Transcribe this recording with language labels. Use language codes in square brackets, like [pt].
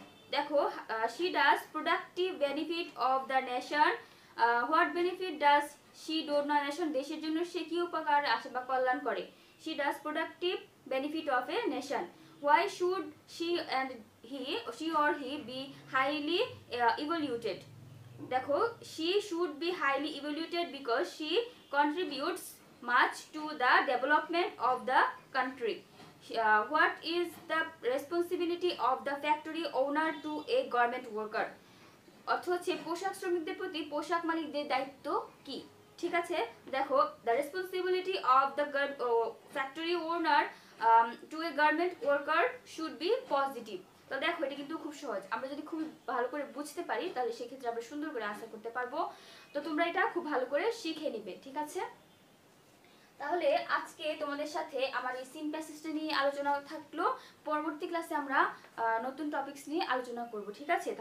[en] দেখো she does productive benefit of the nation what benefit does she do to the nation [bn] দেশের জন্য সে কি উপকার আসে বা কল্যাণ করে [en] She does productive benefit of a nation why should she and he she or he be highly evolved দেখো she should be highly evolved because she contributes much to the development of the country. What is the responsibility of the factory owner to a garment worker? [bn] অথচে পোশাক শ্রমিকদের প্রতি পোশাক মালিকদের দায়িত্ব কি? ঠিক আছে, দেখো, [en] the responsibility of the factory owner to a garment worker should be positive. [bn] তো দেখো, এটা কিন্তু খুব সহজ, আমরা যদি খুব ভালো করে বুঝতে পারি তাহলে সেক্ষেত্রে আমরা সুন্দর করে আনসার করতে পারবো। তো তোমরা এটা খুব ভালো করে শিখে নিবে, ঠিক আছে? তাহলে আজকে তোমাদের সাথে আমার এই সিম্পল সিস্টেম নিয়ে আলোচনা থাকলো, পরবর্তী ক্লাসে আমরা নতুন টপিকস নিয়ে আলোচনা করব, ঠিক আছে?